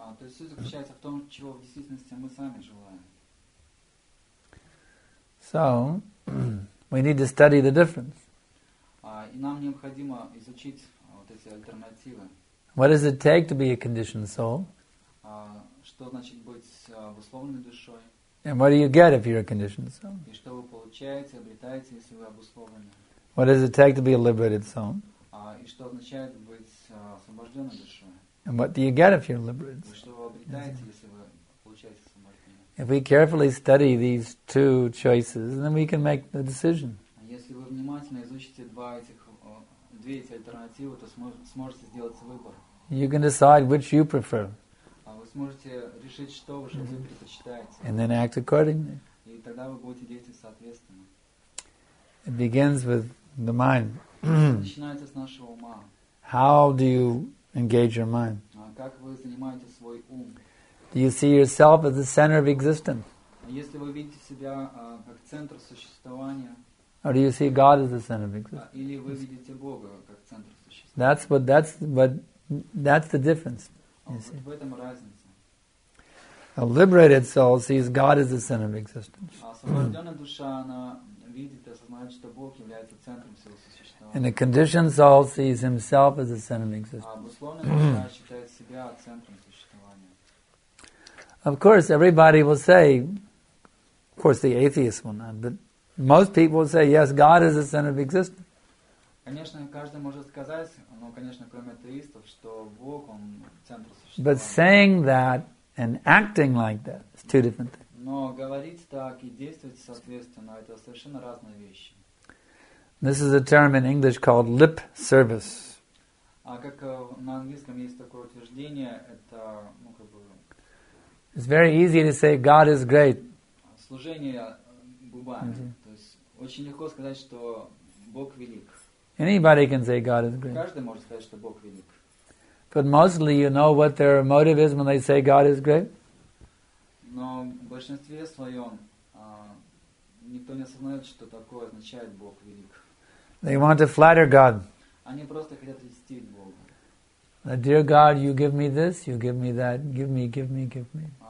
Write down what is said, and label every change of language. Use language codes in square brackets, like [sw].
[ru] То есть суть заключается в том, чего в действительности мы сами желаем. [en] So, we need to study the difference. [ru] И нам необходимо изучить вот эти альтернативы. [en] What does it take to be a conditioned soul? [ru] Что значит быть обусловленной душой? [en] And what do you get if you're a conditioned soul? [ru] И что вы получаете, обретаете, если вы обусловлены? [en] What does it take to be a liberated soul? [ru] И что означает быть освобожденной душой? [en] And what do you get if you're liberated? [ru] Вы что обретаете, если вы получаете освобождение? [en] If we carefully study these two choices, then we can make the decision. [ru] Если вы внимательно изучите две эти альтернативы, то сможете сделать выбор. [en] You can decide which you prefer. [ru] Вы сможете решить, что вы предпочитаете. [en] And then act accordingly. [ru] И тогда вы будете действовать соответственно. [en] It begins with the mind. [ru] Начинается с нашего ума. [en] How do you engage your mind? [ru] Как вы занимаете свой ум? [en] Do you see yourself as the center of existence? [ru] Если вы видите себя как центр существования. [en] Or do you see God as the center of existence? [ru] Или вы видите Бога как центр существования? [en] That's the difference. [ru] В этом разница. [en] A liberated soul sees God as the center of existence. [ru] Освобожденная душа, она видит и осознает, что Бог является центром всего существования. [en] And the conditioned soul sees himself as the center of existence. [ru] Обусловленная душа считает себя центром существования. [en] Of course, everybody will say, Of course, the atheists will not, but most people will say, yes, God is the center of existence. [ru] Конечно, каждый может сказать, но, конечно, кроме атеистов, что Бог, он центр существования. [en] But saying that and acting like that is two different things. [ru] Но говорить так и действовать соответственно – это совершенно разные вещи. [en] This is a term in English called lip service. [ru] А как на английском есть такое утверждение, это, ну, как бы… [en] It's very easy to say God is great. [ru] Служение губами. Mm-hmm. То есть очень легко сказать, что Бог велик. [en] Anybody can say God is great. [ru] Каждый может сказать, что Бог велик. [en] But mostly you know what their motive is when they say God is great? [ru] Но в большинстве своем никто не осознает, что такое означает Бог велик. [en] They want to flatter God. [ru] Они просто хотят льстить Бога. [en] Dear God, you give me this, you give me that, give me, give me, give me.